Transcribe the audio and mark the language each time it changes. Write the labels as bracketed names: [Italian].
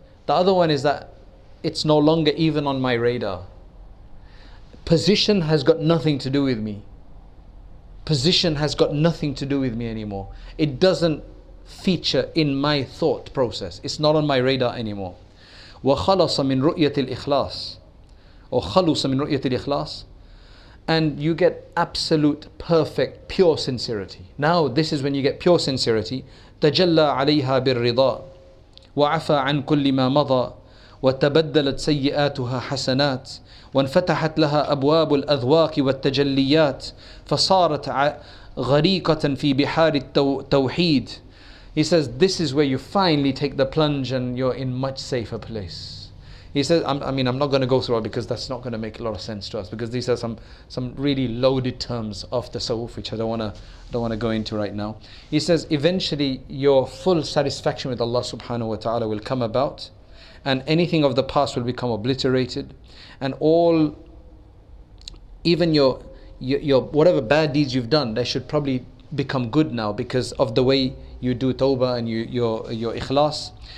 [English] The other one is that it's no longer even on my radar. Position has got nothing to do with me. Position has got nothing to do with me anymore. It doesn't feature in my thought process. It's not on my radar anymore. [Arabic] وَخَلَصَ مِنْ رُؤْيَةِ الْإِخْلَاصِ. [English] Or [Arabic] خَلُصَ مِنْ رُؤْيَةِ الْإِخْلَاصِ. [English] And you get absolute, perfect, pure sincerity. Now this is when you get pure sincerity. [Arabic] تَجَلَّى عَلَيْهَا بِالرِّضَاءِ وَعَفَى عَنْ كُلِّ مَا مَضَى وتبدلت سيئاتها حسنات وانفتحت لها أبواب الأذواق والتجليات فصارت غريقة في بحار التوحيد. [English] He says, this is where you finally take the plunge and you're in much safer place. He says, I'm not going to go through it because that's not going to make a lot of sense to us, because these are some really loaded terms of the sawuf, which I don't want to go into right now. He says, eventually your full satisfaction with Allah subhanahu wa ta'ala will come about, and anything of the past will become obliterated, and all, even your whatever bad deeds you've done, they should probably become good now because of the way you do tawbah and your ikhlas.